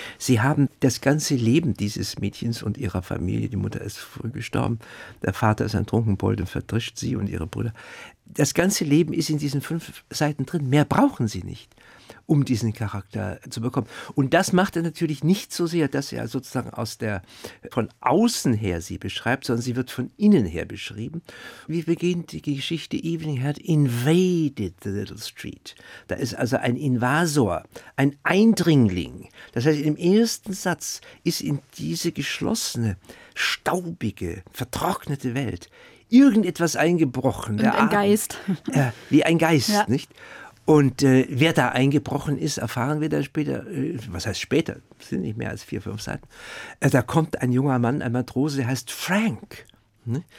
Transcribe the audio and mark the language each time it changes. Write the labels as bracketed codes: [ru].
[de] Sie haben das ganze Leben dieses Mädchens und ihrer Familie, die Mutter ist früh gestorben, der Vater ist ein Trunkenbold und vertrischt sie und ihre Brüder. Das ganze Leben ist in diesen 5 Seiten drin, mehr brauchen sie nicht, um diesen Charakter zu bekommen. Und das macht er natürlich nicht so sehr, dass er sozusagen von außen her sie beschreibt, sondern sie wird von innen her beschrieben. Wie beginnt die Geschichte? [en] Evening had invaded the little street. [de] Da ist also ein Invasor, ein Eindringling. Das heißt, im ersten Satz ist in diese geschlossene, staubige, vertrocknete Welt irgendetwas eingebrochen. Und ein Geist. Wie ein Geist, ja. Nicht? Und wer da eingebrochen ist, erfahren wir dann später, was heißt später, sind nicht mehr als 4, 5 Seiten, da kommt ein junger Mann, ein Matrose, der heißt Frank. Ne?